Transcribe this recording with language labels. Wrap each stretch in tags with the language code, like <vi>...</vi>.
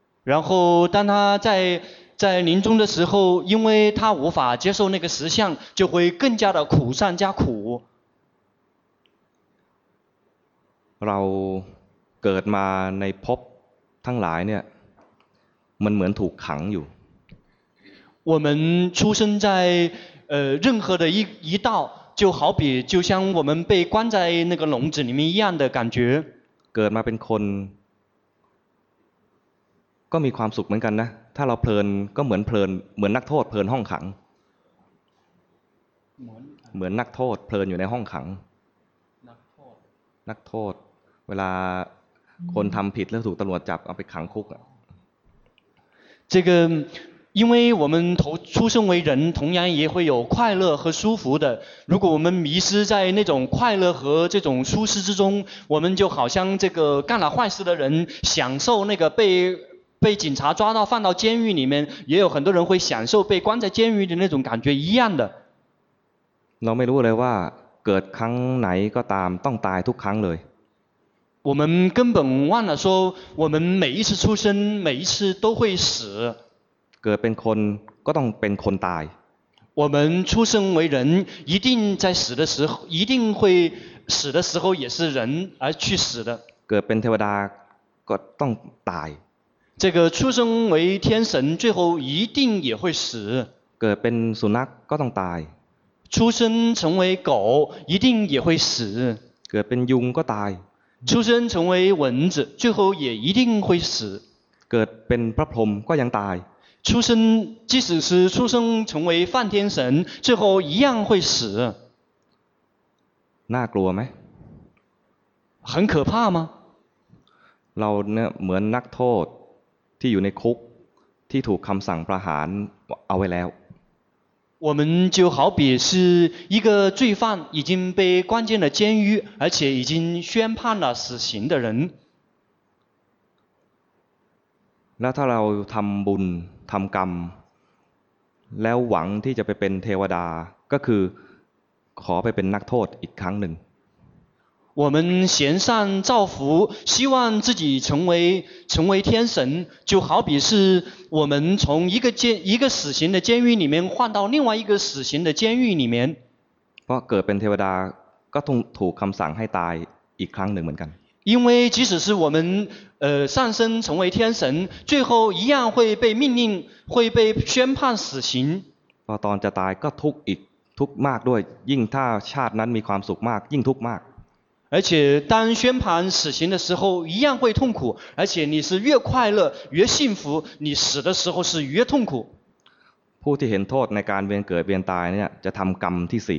<zh>然后当他在临终的时候因为他无法接受那个实相就会更加的苦上加苦</zh> <th>เราเกิดมาในภพทั้งหลายเนี่ยมันเหมือนถูกขังอยู่</th> <zh>我们出生在任何的一道就好比就像我们被关在那个笼子里面一样的感觉</zh> <th>เกิดมาเป็นคนก็มีความสุขเหมือนกันนะถ้าเราเพลินก็เหมือนเพลินเหมือนนักโทษเพลินห้องขังเหมือนนักโทษเพลินอยู่ในห้องขังนักโทษเวลาคนทำผิดแล้วถูกตำรวจจับเอาไปขังคุกอ่ะ</th> <zh>这个因为我们出生为人同样也会有快乐和舒服的如果我们迷失在那种快乐和这种舒适之中我们就好像这个干了坏事的人享受那个被警察抓到放到监狱里面也有很多人会享受被关在监狱的那种感觉一样的</zh> <th>เราไม่รู้เลยว่าเกิดครั้งไหนก็ตามต้องตายทุกครั้งเลย</th> <zh>我们根本忘了说我们每一次出生每一次都会死</zh> <th>เกิดเป็นคนก็ต้องเป็นคนตาย</th> <zh>我们出生为人一定在死的时候一定会死的时候也是人而去死的</zh> <th>เกิดเป็นเทวดาก็ต้องตาย</th> <zh>这个出生为天神最后一定也会死</zh> <th>เกิดเป็นสุนัขก็ต้องตาย</th> <zh>出生成为狗一定也会死</zh> <th>เกิดเป็นยุงก็ตาย ทุกคน</th> <zh>成为蚊子最后也一定会死</zh> <th>เกิดเป็นพระพรหมก็ยังตาย</th> <zh>出生即使是出生成为梵天神最后一样会死</zh> <th>น่ากลัวไหม</th> <zh>很可怕吗</zh> <th>เราเนี่ยเหมือนนักโทษที่อยู่ในคุกที่ถูกคำสั่งประหารเอาไว้แล้ว</th> <zh>我们就好比是一个罪犯已经被关进了监狱而且已经宣判了死刑的人</zh> <th>那ถ้าเราทำบุญทำกรรมแล้วหวังที่จะไปเป็นเทวดาก็คือขอไปเป็นนักโทษอีกครั้งหนึ่ง</th> <zh>我们行善造福希望自己成为天神就好比是我们从一个死刑的监狱里面换到另外一个死刑的监狱里面</zh> <th>เพราะเกิดเป็นเทวดาก็ต้องถูกคำสั่งให้ตายอีกครั้งหนึ่งเหมือนกัน</th> <zh>因为即使是我们上升成为天神最后一样会被命令会被宣判死刑</zh> <th>พอตอนจะตายก็ทุกข์อีกทุกข์มากด้วยยิ่งถ้าชาตินั้นมีความสุขมากยิ่งทุกข์มาก</th> <zh>而且当宣判死刑的时候一样会痛苦而且你是越快乐越幸福你死的时候是越痛苦</zh> <th>ผู้ที่เห็นโทษในการเวียนเกิดเวียนตายเนี่ยจะทำกรรมที่สี</th>